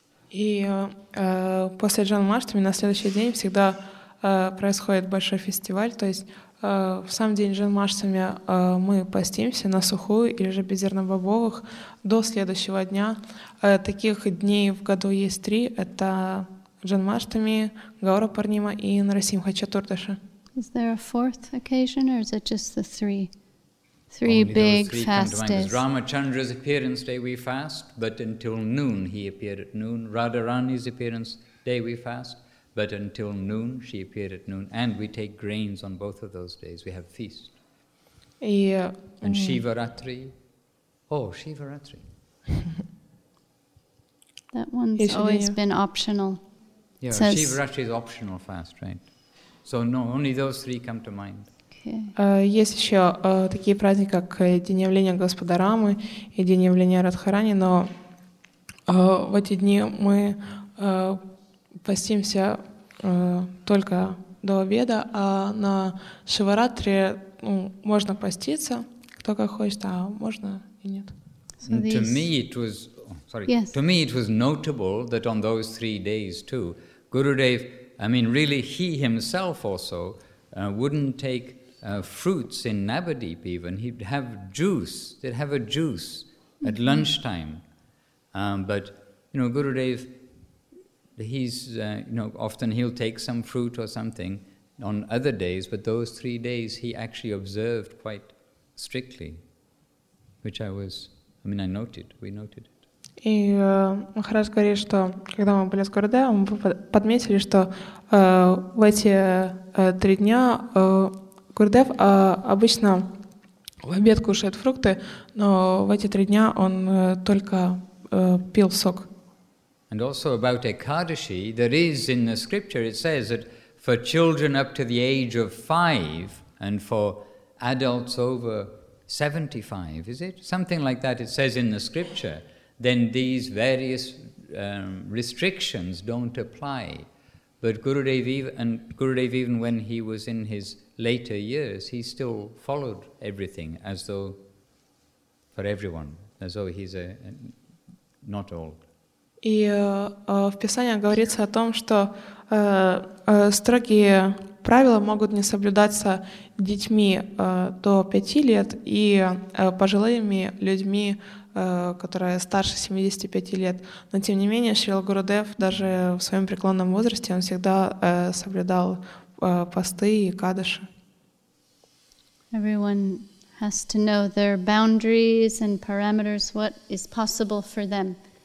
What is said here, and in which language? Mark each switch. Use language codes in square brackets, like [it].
[ru] И после Джанмаштами на следующий день всегда происходит большой фестиваль. То есть в сам день Джанмаштами мы постимся на сухую или же без зернобобовых до следующего дня. Таких дней в году есть 3. Это Джанмаштами, Гаура Парнима и Нарасимха Чатурдаша. [en] Is there a fourth occasion or is it just the three? Three Only big fast days. It's Ramachandra's appearance day we fast, but until noon he appeared at noon. Radharani's appearance day we fast, but until noon she appeared at noon. And we take grains on both of those days. We have feast. Yeah. And Shivaratri. Oh, Shivaratri. That one's Ishaniya. Always been optional. Yeah, Shivaratri is optional fast, right? So no, only those three come to mind. Okay. [ru] Есть еще такие праздники, как День явления Господа Рамы и День явления Радхарани, но в эти дни мы постимся только до обеда, а на Шиваратри можно поститься, кто как хочет, а можно и нет. [en] To me it was notable that on those 3 days too, Gurudev, I mean, really he himself also wouldn't take fruits in Navadvip even. He'd have juice. They'd have a juice at mm-hmm. lunchtime. But, you know, Gurudev, he's, you know, often he'll take some fruit or something on other days, but those 3 days he actually observed quite strictly, which we noted it. [ru] И Махарадж говорит, что когда мы были с Гурудевом, мы подметили, что в эти три дня Гурудев обычно в обед кушает фрукты, но в эти три дня он только пил сок. [en] And also about Ekadashi, there is in the scripture, it says that for children up to the age of 5 and for adults over 75, is it? Something like that, it says in the scripture, then these various restrictions don't apply. But Gurudev, even when he was in his later years, he still followed everything as though for everyone, as though he's not old. [ru] И в Писании говорится о том, что строгие правила могут не соблюдаться детьми до 5 лет и пожилыми людьми, которые старше 75 лет. Но тем не менее, Шрила Гурудев даже в своем преклонном возрасте он всегда соблюдал посты и кадыши. [en] Everyone has to know their boundaries and parameters, what is possible for them.